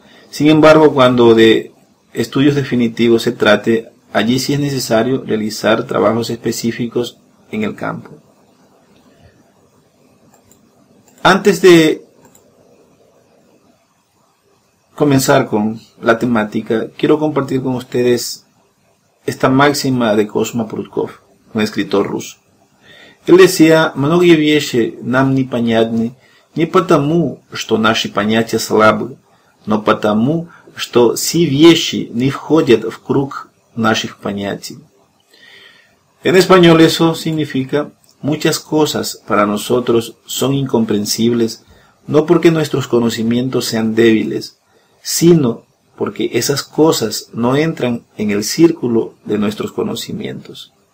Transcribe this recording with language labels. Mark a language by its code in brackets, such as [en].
[es] Sin embargo, cuando de estudios definitivos se trate, allí sí es necesario realizar trabajos específicos en el campo. Antes de comenzar con la temática, quiero compartir con ustedes esta máxima de Kosma Prutkov, un escritor ruso. [ru] Él decía: «Многие вещи нам непонятны не потому, что наши понятия слабы, но потому, что все вещи не входят в круг наших понятий». [es] En español eso significa: muchas cosas para nosotros son incomprensibles no porque nuestros conocimientos sean débiles, sino porque esas cosas no entran en el círculo de nuestros conocimientos.